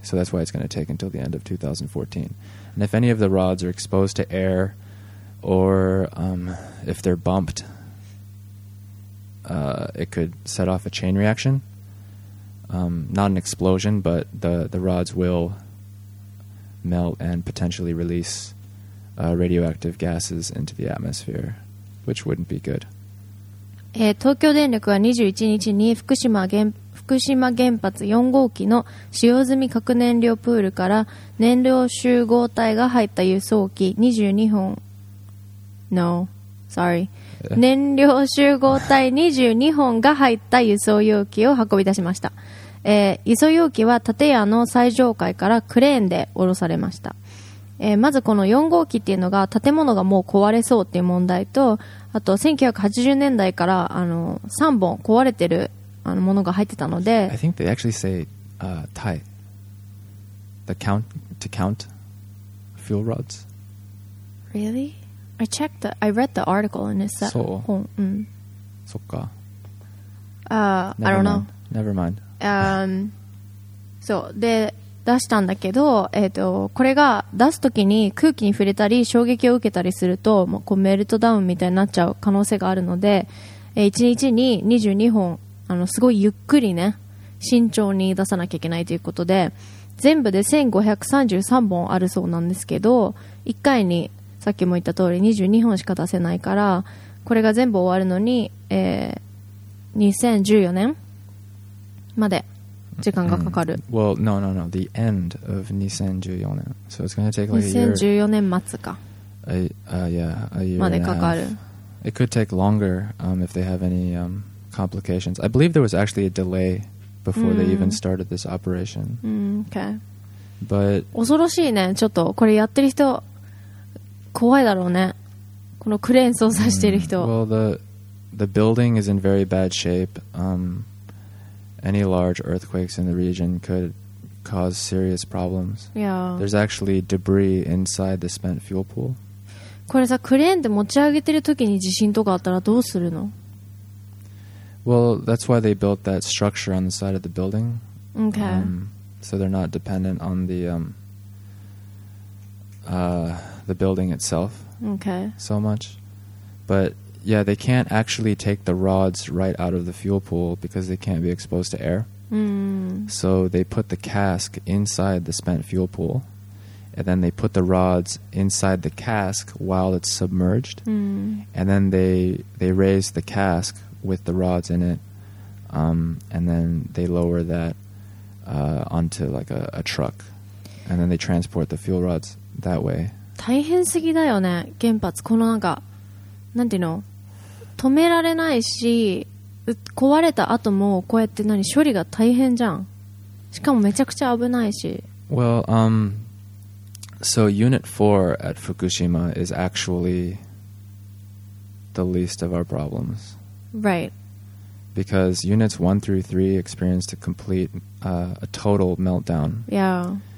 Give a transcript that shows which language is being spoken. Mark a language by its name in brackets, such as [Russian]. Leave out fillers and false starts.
[English] So that's why it's going to take until the end of 2014. And if any of the rods are exposed to air or if they're bumped, it could set off a chain reaction. Not an explosion, but the rods will melt and potentially release radioactive gases into the atmosphere, which wouldn't be good. [Japanese] 東京電力は21日に福島原発4号機の使用済み核燃料プールから燃料集合体が入った輸送機22本 [English] No, sorry [Japanese] 燃料集合体22本が入った輸送容器を運び出しました。輸送容器は建屋の最上階からクレーンで降ろされました。まずこの4号機っていうのが建物がもう壊れそうっていう問題と、あと1980年代からあの3本壊れてるあのものが入ってたので、 [English] I think they actually say Thai the count to count fuel rods Really? I checked the, I read the article and it's that. So. [Japanese] そっか。 [English] I don't know. Never mind. [Japanese] そう。で、出したんだけど、これが出すときに空気に触れたり衝撃を受けたりすると、もうこうメルトダウンみたいになっちゃう可能性があるので、 1日に22本、すごいゆっくりね、慎重に出さなきゃいけないということで、全部で1533本あるそうなんですけど、1回にさっきも言った通り22本しか出せないから、これが全部終わるのに、2014年まで時間がかかる。 [English] Well, no, no, no. The end of 2014年。 So it's going to take like a year. [Japanese] 2014年末か。 [English] Yeah, a year [Japanese] までかかる。 [English] It could take longer, if they have any, complications. I believe there was actually a delay before they even started this operation. Okay. But [Japanese] 恐ろしいね。ちょっとこれやってる人怖いだろうね。このクレーン操作してる人。 [English] Well, the building is in very bad shape. Any large earthquakes in the region could cause serious problems. Yeah. There's actually debris inside the spent fuel pool. [Japanese] これさ、クレーンで持ち上げてる時に地震とかあったらどうするの？ [English] Well, that's why they built that structure on the side of the building. Okay. So they're not dependent on the building itself. Okay. So much. But yeah, they can't actually take the rods right out of the fuel pool because they can't be exposed to air. So they put the cask inside the spent fuel pool, and then they put the rods inside the cask while it's submerged. And then they raise the cask with the rods in it, and then they lower that onto like a truck, and then they transport the fuel rods that way. [Japanese] 大変すぎだよね、原発。このなんか、なんていうの、止められないし、壊れた後もこうやって何処理が大変じゃん。しかもめちゃくちゃ危ないし。 [English] Well, so Unit 4 at Fukushima is actually the least of our problems. Right. Because Units 1 through 3 experienced a complete, a total meltdown. Yeah.